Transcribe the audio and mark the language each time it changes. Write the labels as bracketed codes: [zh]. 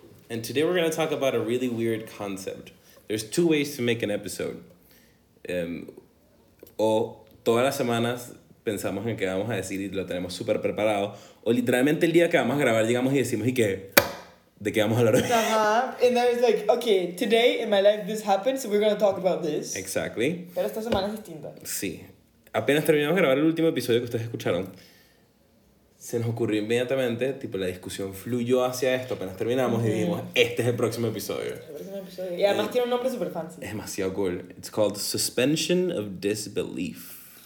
[en] And today we're going to talk about a really weird concept. There's two ways to make an episode. [es] O todas las semanas pensamos en qué vamos a decir y lo tenemos súper preparado. O literalmente el día que vamos a grabar llegamos y decimos y que... ¿De qué vamos a hablar hoy? Uh-huh. [en] And I was like, okay, today in my life this happened, so we're going to talk about this. Exactly. [es] Pero esta semana es distinta. Sí. Apenas terminamos de grabar el último episodio que ustedes escucharon, se nos ocurrió inmediatamente, tipo, la discusión fluyó hacia esto. Apenas terminamos y dijimos, este es el próximo episodio. El próximo episodio. Y además tiene un nombre super fancy. Es demasiado cool. [en] It's called Suspension of Disbelief.